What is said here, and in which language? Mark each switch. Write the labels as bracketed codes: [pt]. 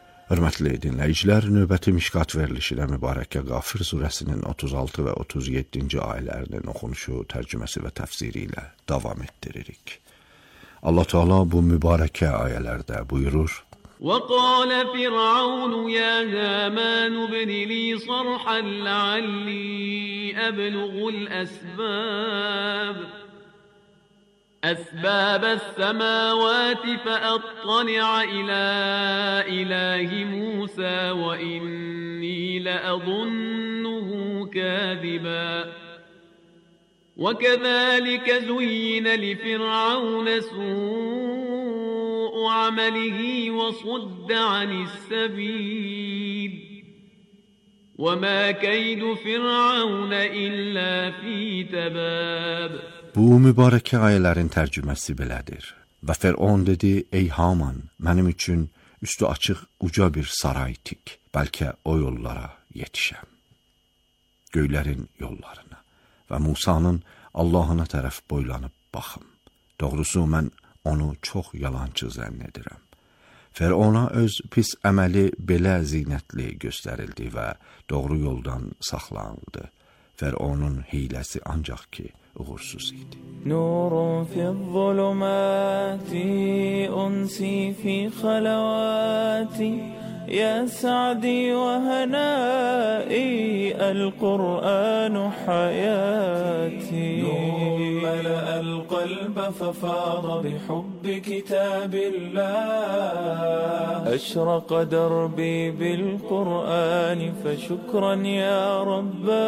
[az] Hörmətli dinləyicilər, növbəti Mişkat verilişinə mübarəkə Qafir surəsinin 36 və 37-ci ayələrinin oxunuşu, tərcüməsi və təfsiri ilə davam etdiririk. Allah Teala bu mübarəkə ayələrdə buyurur: [ar] وَقَالَ فِرْعَوْنُ يَا هَامَانُ ابْنِ لِي صَرْحًا لَّعَلِّي أَبْلُغُ الْأَسْبَابَ أسباب السماوات فأطلع إلى إله موسى وإني لأظنه كاذبا وكذلك زين لفرعون سوء عمله وصد عن السبيل وما كيد فرعون إلا في تباب. [az] Bu mübarəkə ayələrin tərcüməsi belədir. Və Fir'on dedi, ey Haman, mənim üçün üstü açıq uca bir saray tik, bəlkə o yollara yetişəm, göylərin yollarına və Musanın Allahına tərəf boylanıb baxım. Doğrusu, mən onu çox yalancı zənn edirəm. Fərona öz pis əməli belə zinətli göstərildi və doğru yoldan saxlandı. Fərona'nın hiləsi ancaq ki, uğursuz idi. [ar] Nurun fi zulümati, unsi fi xalavati, ya sa'di və hənai, el-Qur'anu hayati. ففاض بحب كتاب الله أشرق دربي بالقرآن فشكرا يا رب